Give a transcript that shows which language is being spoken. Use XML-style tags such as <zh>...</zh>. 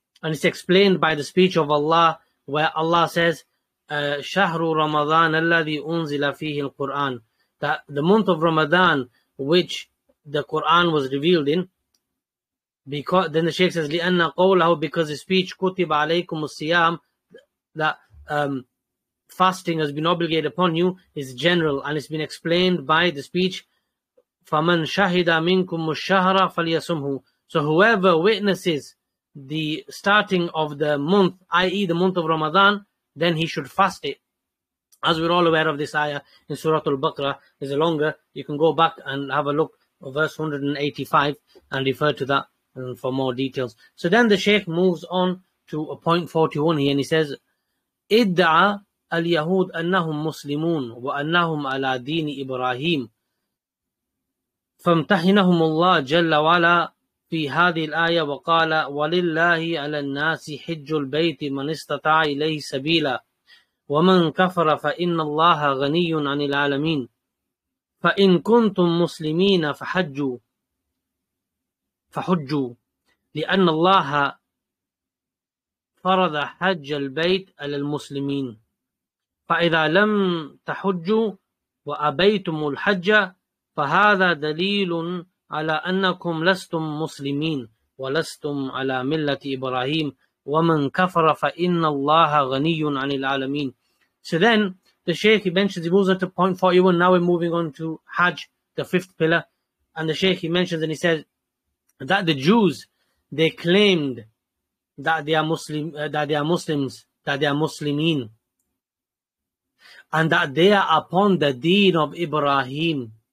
<en>And it's explained by the speech of Allah, where Allah says,</en> <ar>شَهْرُ رَمَضَانَ الَّذِي أُنزِلَ فِيهِ الْقُرْآنِ,</ar> <en>that the month of Ramadan, which the Quran was revealed in, because then the Shaykh says,</en> <ar>لِأَنَّ قَوْلَهُ,</ar> <en>because his speech,</en> <ar>كُتِبَ عَلَيْكُمُ الصِّيَامِ,</ar> <en>that fasting has been obligated upon you, is general, and it's been explained by the speech,</en> <ar>فَمَنْ شَهِدَ مِنْكُمُ الشَّهْرَ فَلْيَصُمْهُ,</ar> <en>so whoever witnesses the starting of the month, i.e. the month of Ramadan, then he should fast it. As we're all aware of this ayah in Surah Al-Baqarah, is a longer, you can go back and have a look, verse 185, and refer to that for more details. So then the Shaykh moves on to a point 41 here, and he says,</en> <ar>اِدْعَى الْيَهُودْ أَنَّهُمْ مُسْلِمُونَ وَأَنَّهُمْ عَلَى دِينِ إِبْرَاهِيمِ فَامْتَحِنَهُمُ اللَّهُ جَلَّ وَعَلَى فِي هَذِهِ الْآيَةِ وَقَالَ وَلِلَّهِ عَلَى النَّاسِ حِجُّ الْبَيْتِ مَنِ اسْتَطَعَ إِلَيْهِ سَبِيلًا وَمَنْ كَفَرَ فَإِنَّ اللَّهَ غَنِيٌّ عَنِ الْعَالَمِينَ فَإِنْ كُنْتُمْ مُسْلِمِينَ فَحُجُّوا لِأَنَّ اللَّهَ فَرَضَ حَجَّ الْبَيْتِ عَلَى الْمُسْلِمِينَ فَإِذَا لَمْ تَحُجُّوا وَأَبَيْتُمُ الْحَجَّ فَهَذَا دَلِيلٌ عَلَى أَنَّكُمْ لَسْتُمْ مُسْلِمِينَ وَلَسْتُمْ عَلَى مِلَّةِ إِبْرَاهِيمَ وَمَنْ كَفَرَ فَإِنَّ اللَّهَ غَنِيٌّ عَنِ الْعَالَمِينَ.</ar> <en>So then, the Shaykh, he moves on to point 41. Now we're moving on to Hajj, the fifth pillar. And the Shaykh, he mentions and he says that the Jews, they claimed that they are Muslim, that they are Muslims, that they are Muslimin, and that they are upon the deen of Ibrahim.</en>